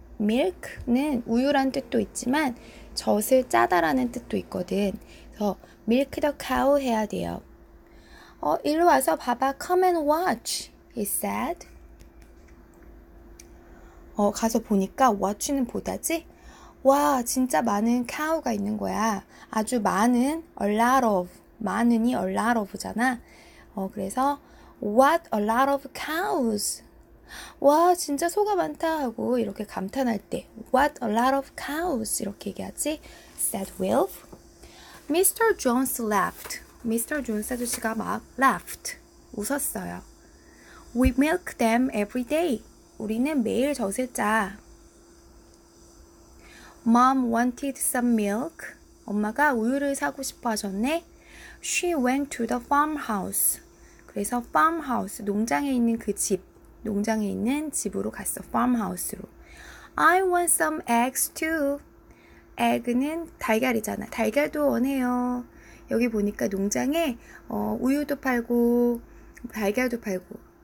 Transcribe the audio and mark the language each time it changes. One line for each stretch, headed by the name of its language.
Korean: milk는 우유란 뜻도 있지만 젖을 짜다라는 뜻도 있거든. 그래서
English: milk the cow
Korean: 해야 돼요. 일로 와서 봐봐.
English: Come and watch, he said.
Korean: 가서 보니까 watch는 보다지? 와, 진짜 많은 cow가 있는 거야. 아주 많은,
English: a lot of.
Korean: 많으니
English: a lot of잖아.
Korean: 그래서
English: what a lot of cows.
Korean: 와, 진짜 소가 많다 하고 이렇게 감탄할 때
English: What a lot of cows
Korean: 이렇게 얘기하지?
English: said Wilf. Mr. Jones laughed. Mr.
Korean: Jones 아저씨가 막 laughed. 웃었어요.
English: We milk them every day.
Korean: 우리는 매일 젖을 짜.
English: Mom wanted some milk.
Korean: 엄마가 우유를 사고 싶어 하셨네.
English: She went to the farmhouse.
Korean: 그래서 farmhouse, 농장에 있는 그 집. 농장에 있는 집으로 갔어.
English: farmhouse로. I want some eggs too.
Korean: egg는 달걀이잖아. 달걀도 원해요. 여기 보니까 농장에 우유도 팔고 달걀도 팔고.